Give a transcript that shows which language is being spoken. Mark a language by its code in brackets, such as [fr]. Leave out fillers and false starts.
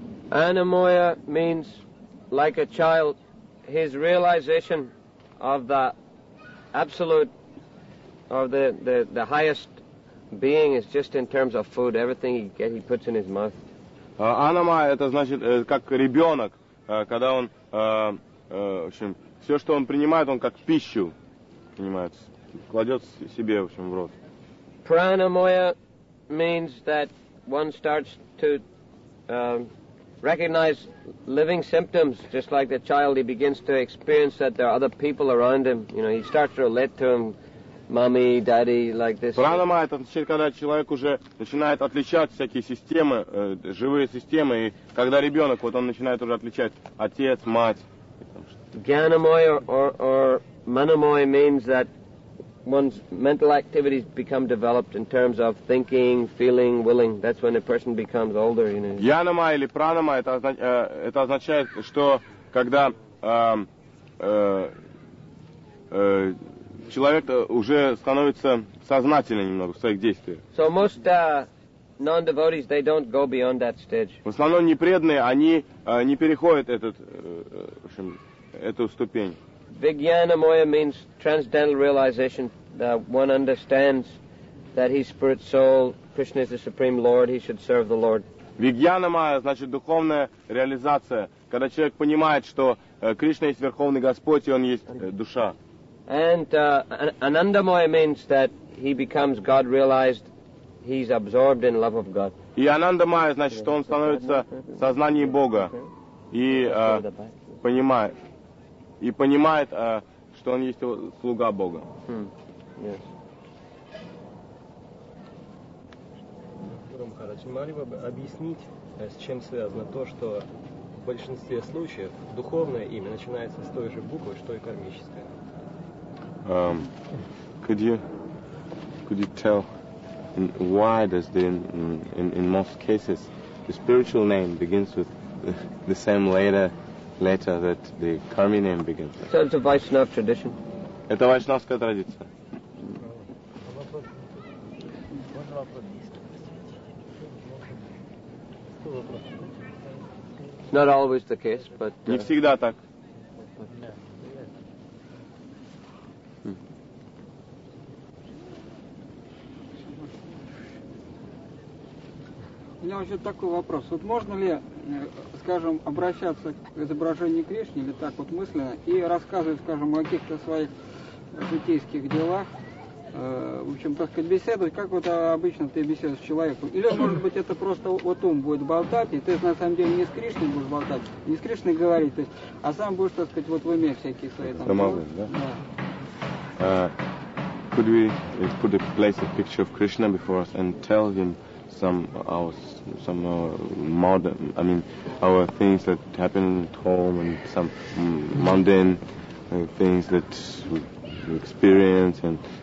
[en] Анамая means like a child, his realization of the absolute, of the highest being is just in terms of food. Everything he puts in his mouth. [ru] Анамая, это значит, как ребенок, когда он, в общем, все, что он принимает, он как пищу принимает, кладет себе, в общем, в рот. [en] Пранамая means that one starts to recognize living symptoms, just like the child, he begins to experience that there are other people around him, you know, he starts to relate to them, mommy, daddy, like this. [ru] Пранама это означает, когда человек уже начинает отличать всякие системы, живые системы, и когда ребенок, вот он начинает уже отличать отец, мать. [en] Гьянамой or манамой means that one's mental activities become developed in terms of thinking, feeling, willing. That's when a person becomes older, you know. [ru] Гьянама или пранама это означает, что когда человек уже становится сознательным немного в своих действиях. [en] So most non-devotees they don't go beyond that stage. [ru] В основном непреданные они не переходят этот, в общем, эту ступень. [en] Vijnanamaya means transcendental realization. That one understands that he's spirit soul, Krishna is the supreme Lord. He should serve the Lord. [ru] Vijnanamaya значит духовная реализация, когда человек понимает, что Кришна есть верховный Господь и он есть душа. [en] And Anandamaya means that he becomes God realized. He's absorbed in love of God. [ru] И Анандамая значит, что он становится в сознании Бога и понимает. И понимает, что он есть слуга Бога. Гуру Махарадж, могли бы объяснить, с чем связано то, что в большинстве случаев духовное имя начинается с той же буквы, что и кармическое? [en] Could you tell why does the in most cases the spiritual name begins with the same letter that the karmic name begins. So it's a Vaishnava tradition. [ru] Это вайшнавская традиция. [en] It's not always the case, but [ru] не всегда так. У меня вообще такой вопрос. Вот можно ли, скажем, обращаться к изображению Кришны, или так вот мысленно, и рассказывать, скажем, о каких-то своих житейских делах, в общем, так сказать, беседовать, как вот обычно ты беседуешь с человеком? Или, может быть, это просто вот ум будет болтать, и ты на самом деле не с Кришной будешь болтать, не с Кришной говорить, то есть, а сам будешь, так сказать, вот в уме всякие свои там... Самовым, да? Да. [en] Could we put a place a picture of Krishna before us and tell him our things that happen at home and some mundane things that we experience and